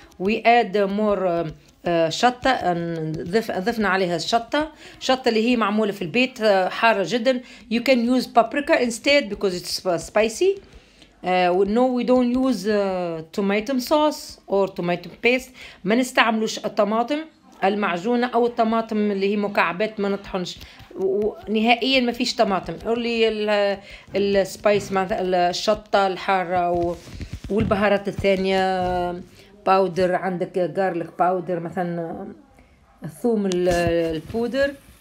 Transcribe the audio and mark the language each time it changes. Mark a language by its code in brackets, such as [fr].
[en] we add more [ar] شطة، ضفنا عليها الشطة اللي هي معمولة في البيت حارة جدا. [en] You can use paprika instead because it's spicy. No, we don't use tomato sauce or tomato paste. [ar] ما نستعملوش الطماطم المعجونة أو الطماطم اللي هي مكعبات، ما نطحنش نهائيا، ما فيش طماطم. قولي السبايس مثلا الشطة الحارة والبهارات الثانية، باودر عندك جارليك باودر مثلا، الثوم البودر.